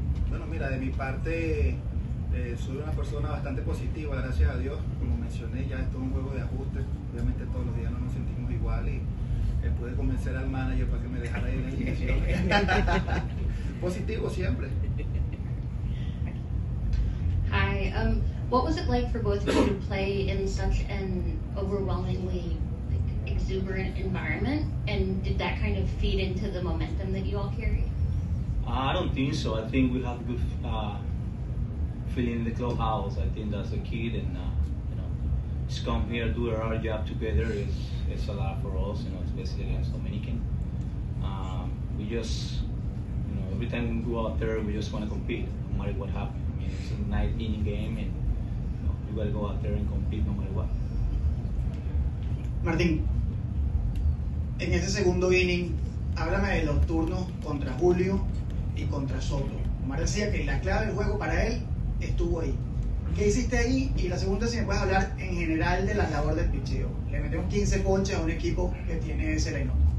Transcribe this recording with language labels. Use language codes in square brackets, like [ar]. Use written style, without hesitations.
[es] Bueno, mira, de mi parte soy una persona bastante positiva, gracias a Dios. Como mencioné, ya es todo un juego de ajustes. Obviamente todos los días no nos sentimos igual y pude convencer al manager para que me dejara ir en la alineación. Positivo siempre. [en] Hi, what was it like for both of you to play in such an overwhelmingly exuberant environment, and did that kind of feed into the momentum that you all carry? I don't think so. I think we have good feeling in the clubhouse. I think that's the key, and just come here, do our job together. It's a lot for us, especially against Dominican. We just, every time we go out there, we just want to compete, no matter what happens. I mean, it's a nine-inning game, and you got to go out there and compete no matter what. [es] Martín, en ese segundo inning, háblame de los turnos contra Julio y contra Soto. Omar decía que la clave del juego para él estuvo ahí. ¿Qué hiciste ahí? Y la segunda, si me puedes hablar en general de la labor del pitcheo. Le metemos 15 ponches a un equipo que tiene ese line-up.